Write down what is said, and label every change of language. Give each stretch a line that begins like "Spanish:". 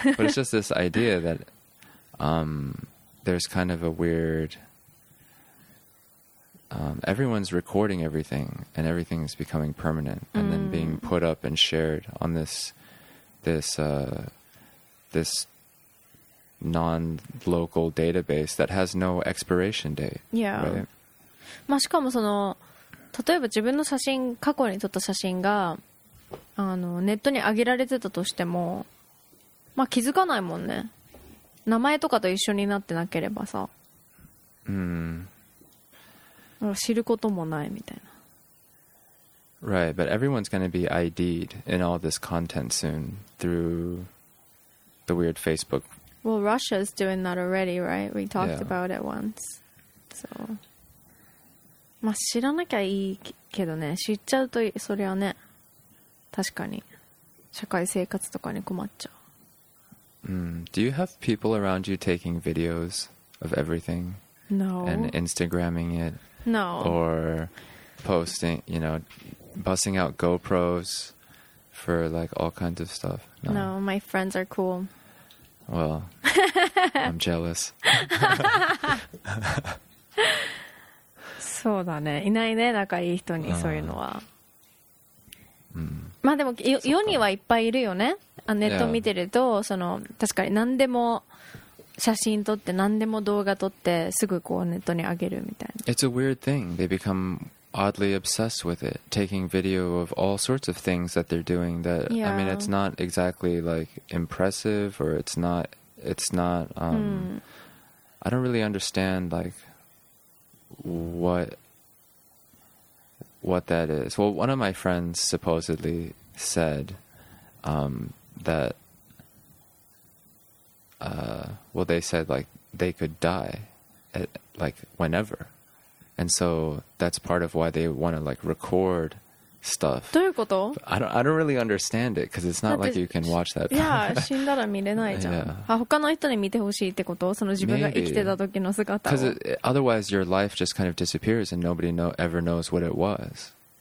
English: But it's just this idea that there's kind of a weird everyone's recording everything and everything is becoming permanent and then being put up and shared on this non-local database that has no expiration date. Yeah. Right?
Japanese: まあしかもその例えば自分の写真過去に撮った写真があのネットに上げられてたとしてもまあ気づかないもんね名前とかと一緒になってなければさ、知ることもないみたいな
English: Right, but everyone's going to be ID'd in all this content soon through the weird Facebook Well, Russia's doing that already, right? We talked about it once So
Japanese: まあ知らなきゃいいけどね知っちゃうとそれはね確かに社会生活とかに困っちゃう
English: Do you have people around you taking videos of everything? No. And Instagramming it? No. Or posting, you know, busting out GoPros for like all kinds of stuff? No, my friends are cool. Well, I'm jealous.
Japanese: そうだね。いないね、仲いい人にそういうのは。まあでも世にはいっぱいいるよね。あネット見てると、
English: yeah.
Japanese: その確かに何でも写真撮って何でも動画撮ってすぐこうネットに上げるみたいな。
English: It's a weird thing. They become oddly obsessed with it, taking video of all sorts of things that they're doing. That、yeah. I mean, it's not exactly like impressive or it's not. I don't really understand like what that is. Well, one of my friends supposedly said that, well, they said like they could die at, like whenever. And so that's part of why they want to like record stuff.
Japanese: どういうこと?
English: I don't really understand it because it's not like you can watch that. Yeah,
Japanese: 死んだら見れないじゃん。
English: Yeah.
Japanese: あ、他の人に見てほしいってこと?その自分が生きてた時の姿を。
English: Because otherwise your life just kind of disappears and nobody ever knows what it was.